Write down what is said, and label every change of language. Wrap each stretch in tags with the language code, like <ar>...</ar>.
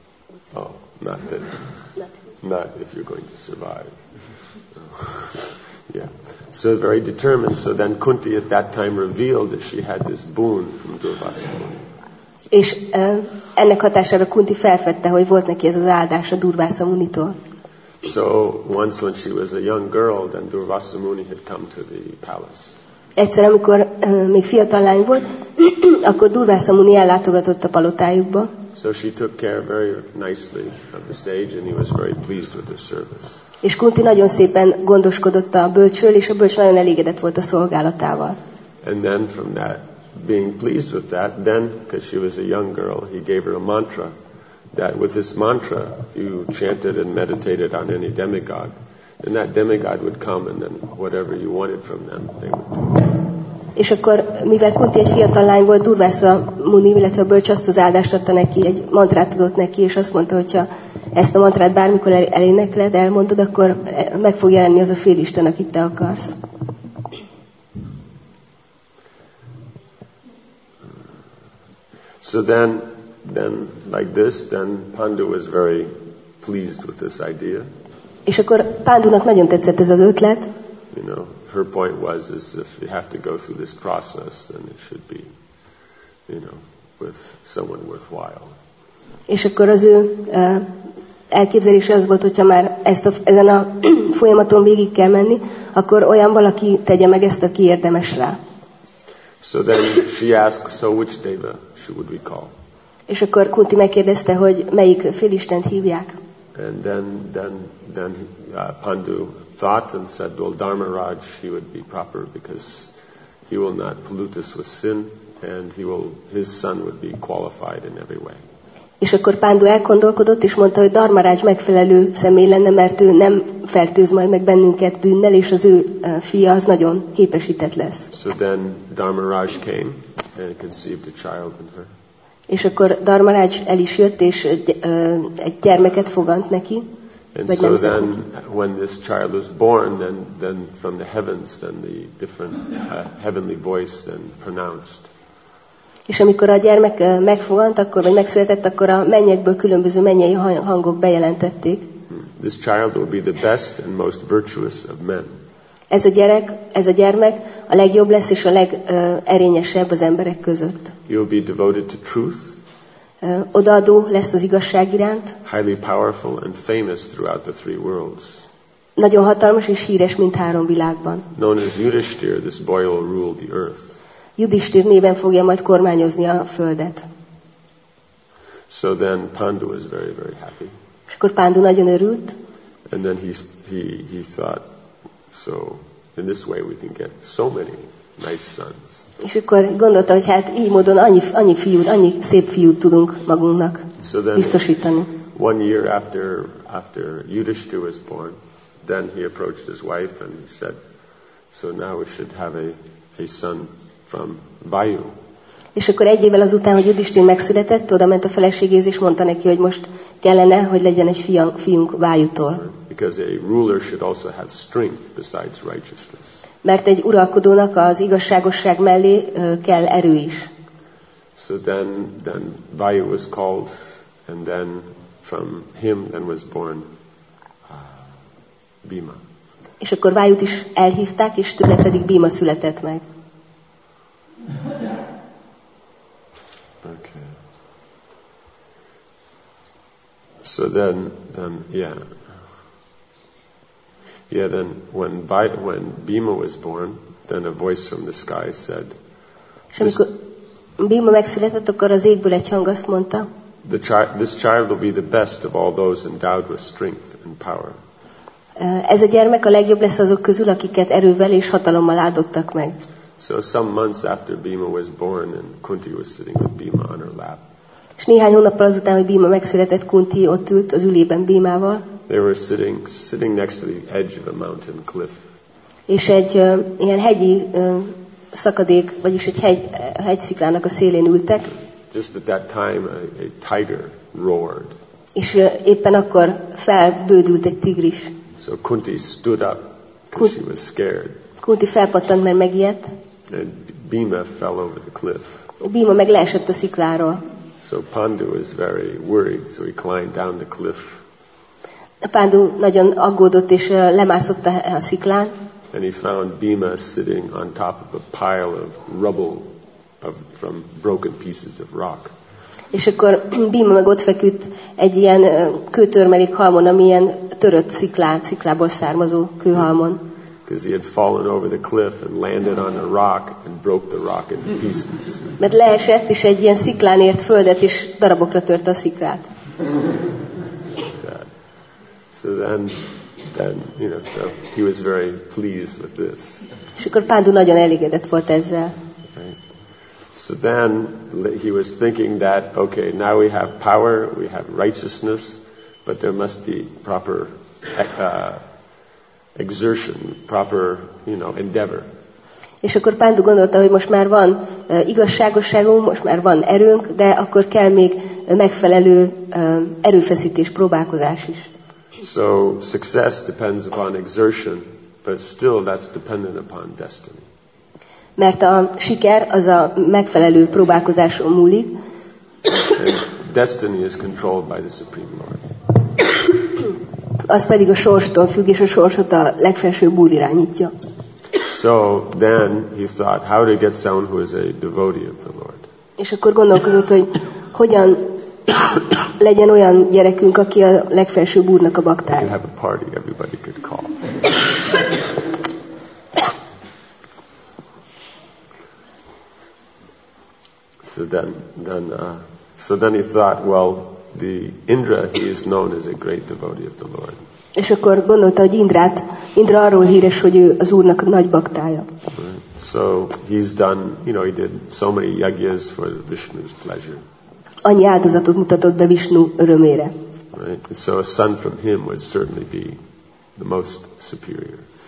<en>would survive. Oh, not if you're going to survive. Yeah. So very determined. So then Kunti at that time revealed that she had this boon from Durvasa.</en> <hu>És ennek hatására Kunti felfedte, hogy volt neki ez az áldás a Durvasa Munitól.</hu> <en>So once when she was a young girl, then Durvasa Muni had come to the palace.</en> <hu>Egyszer, amikor még fiatal lány volt, akkor Durvasa Muni ellátogatott a palotájukba.</hu> <en>So she took care very nicely of the sage, and he was very pleased with her service.</en> <hu>És Kunti nagyon szépen gondoskodott a bölcsről, és a bölcs nagyon elégedett volt a szolgálatával.</hu> <en>And then from that, being pleased with that, then, because she was a young girl, he gave her a mantra, that with this mantra, you chanted and meditated on any demigod, and that demigod would come, and then whatever you wanted from them, they would do.</en> <hu>És akkor, mivel Kunti egy fiatal lány volt, Durvasa Muni, illetve a bölcs azt az áldást adta neki, egy mantrát adott neki, és azt mondta, hogyha ezt a mantrát bármikor elénekled, elmondod, akkor meg fog jelenni az a félisten, akit te akarsz.</hu> <en>So then like this, then Pandu was very pleased with this idea.</en> <hu>És akkor Pándunak nagyon tetszett ez az ötlet.</hu> <en>You know, her point was, is if you have to go through this process, then it should be, you know, with someone worthwhile.</en> <hu>És akkor az ő elképzelése az volt, hogyha már ezen a folyamaton végig kell menni, akkor olyan valaki tegye meg ezt, aki érdemes rá.</hu> <en>So then she asked, so which deva should we call?</en> <hu>És akkor Kunti megkérdezte, hogy melyik félistent hívják.</hu> <en>And then Pandu thought and said, well, Dharmaraj, he would be proper because he will not pollute us with sin, and his son would be qualified in every way.</en> <hu>És akkor Pandu elgondolkodott, és mondta, hogy Dharmaraj megfelelő személy lenne, mert ő nem fertőz majd meg bennünket bűnnel, és az ő fia az nagyon képesített lesz.</hu> <en>So then Dharmaraj came and conceived a child in her.</en> <hu>És akkor Dharmaraj el is jött, és egy gyermeket fogant neki.</hu> <en>And so then, when this child was born, then from the heavens, then the different heavenly voice then pronounced.</en> <hu>És amikor a gyermek megfogant, akkor vagy megszületett, akkor a mennyekből különböző mennyei hangok bejelentették.</hu> <en>This child will be the best and most virtuous of men.</en> <hu>Ez a gyermek a legjobb lesz és a legerényesebb az emberek között.</hu> <en>He will be devoted to truth.</en> <hu>Odaadó lesz az igazság iránt.</hu> <en>Highly powerful and famous throughout the three worlds.</en> <hu>Nagyon hatalmas és híres mind három világban.</hu> <en>Known as Yudhishthir, this boy will rule the earth.</en> <hu>Yudhishthir néven fogja majd kormányozni a földet.</hu> <en>So then Pandu was very, very happy.</en> <hu>És akkor Pandu nagyon örült.</hu> <en>And then he thought, so in this way we can get so many nice sons.</en> <hu>És akkor gondolta, hogy hát így módon annyi szép fiút tudunk magunknak biztosítani.</hu> <en>One year after Yudhishthir was born, then he approached his wife and he said, so now we should have a son from Vayu.</en> <hu>És akkor egy évvel azután, hogy Yudhishthir megszületett, oda ment a feleségéhez és mondta neki, hogy most kellene, hogy legyen egy fiunk Vájútól.</hu> <en>Because a ruler should also have strength besides righteousness.</en> <hu>Mert egy uralkodónak az igazságosság mellé kell erő is.</hu> <en>So then Vayu was called, and then from him then was born Bhima.</en> <hu>És akkor Vayut is elhívták, és tőle pedig Bhima született meg.</hu> <en>Okay. So then yeah. Yeah, then when Bhima was born, then a voice from the sky said,</en> <hu>Bhima megszületett, akkor az égből egy hang azt mondta,</hu> <en>this child will be the best of all those endowed with strength and power.</en> <hu>Ez a gyermek a legjobb lesz azok közül, akiket erővel és hatalommal áldottak meg.</hu> <en>So some months after Bhima was born, and Kunti was sitting with Bhima on her lap.</en> <hu>És néhány hónappal azután, hogy Bhima megszületett, Kunti ott ült az ülében Bhimával.</hu> <en>They were sitting next to the edge of a mountain cliff.</en> <hu>És egy ilyen hegyi szakadék, vagyis egy hegysziklának a szélén ültek.</hu> <en>Just at that time, a tiger roared.</en> <hu>És éppen akkor felbődült egy tigris.</hu> <en>So Kunti stood up, because she was scared.</en> <hu>Kunti felpattant, mert megijedt.</hu> <en>And Bhima fell over the cliff.</en> <hu>Bhima meg leesett a szikláról.</hu> <en>So Pandu was very worried, so he climbed down the cliff.</en> <hu>Pandu nagyon aggódott és lemászott a sziklán.</hu> <en>And he found Bhima sitting on top of a pile of rubble from broken pieces of rock.</en> <hu>És akkor Bhima meg ott feküdt egy ilyen kőtörmelék halmon, ami ilyen törött sziklából származó kőhalmon.</hu> <en>Because he had fallen over the cliff and landed on a rock and broke the rock into pieces.</en> <hu>Mert leesett és egy ilyen sziklán ért földet és darabokra törte a sziklát.</hu> <en>So then, you know, so he was very pleased with this.</en> <hu>És akkor Pándu nagyon elégedett volt ezzel.</hu> <en>So then he was thinking that okay, now we have power, we have righteousness, but there must be proper exertion, proper, you know, endeavor.</en> <hu>És akkor Pándu gondolta, hogy most már van igazságosságunk, most már van erőnk, de akkor kell még megfelelő erőfeszítés, próbálkozás is.</hu> <en>So success depends upon exertion, but still that's dependent upon destiny.</en> <hu>Mert a siker az a megfelelő próbálkozáson múlik.</hu> <en>Destiny is controlled by the Supreme Lord.</en> <hu>Az pedig a sorstól függ, és a sorsot a legfelsőbb úr irányítja.</hu> <en>So then he thought, how to get someone who is a devotee of the Lord.</en> <hu>És akkor gondolkozott, hogy hogyan legyen olyan gyerekünk, aki a legfelsőbb úrnak a baktája.</hu> <en>We could have a party, everybody could call. So then he thought, well, the Indra, he is known as a great devotee of the Lord.</en> <hu>És akkor gondolta, hogy Indra arról híres, hogy ő az Úrnak nagy baktája.</hu> <en>So he's done, you know, he did so many yagyas for Vishnu's pleasure.</en> <hu>Annyi áldozatot mutatott be Vishnu örömére.</hu> <en>Right. So a son from him would certainly be the most superior.</en>